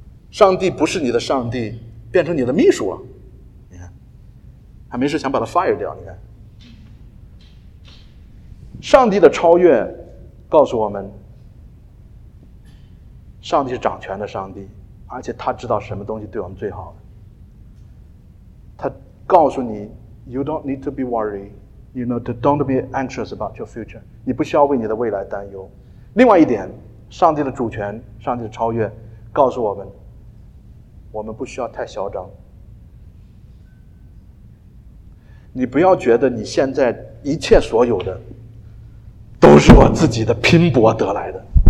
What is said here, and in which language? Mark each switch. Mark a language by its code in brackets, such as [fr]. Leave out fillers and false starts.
[zh] 上帝不是你的上帝，变成你的秘书了。你看，还没事想把他 fire 掉。你看，上帝的超越告诉我们，上帝是掌权的上帝，而且他知道什么东西对我们最好的。他告诉你 [en] ，You don't need to be worried. You know, don't be anxious about your future. [zh] 你不需要为你的未来担忧。另外一点，上帝的主权，上帝的超越，告诉我们，我们不需要太嚣张。你不要觉得你现在一切所有的都是我自己的拼搏得来的。